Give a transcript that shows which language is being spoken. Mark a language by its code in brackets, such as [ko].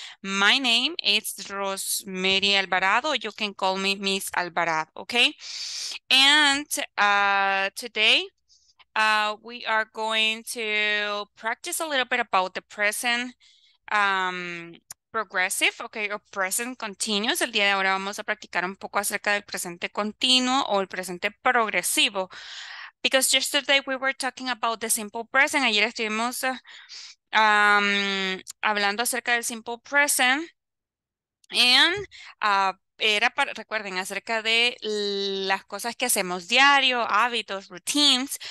[en] My name is Rosemary Alvarado. You can call me Miss Alvarado, okay? And today we are going to practice a little bit about the present progressive, okay, or present continuous. [es] El día de ahora vamos a practicar un poco acerca del presente continuo o el presente progresivo. [en] Because yesterday we were talking about the simple present. [es] Ayer estuvimos hablando acerca del simple present. And era para, recuerden, acerca de las cosas que hacemos diario, hábitos, routines.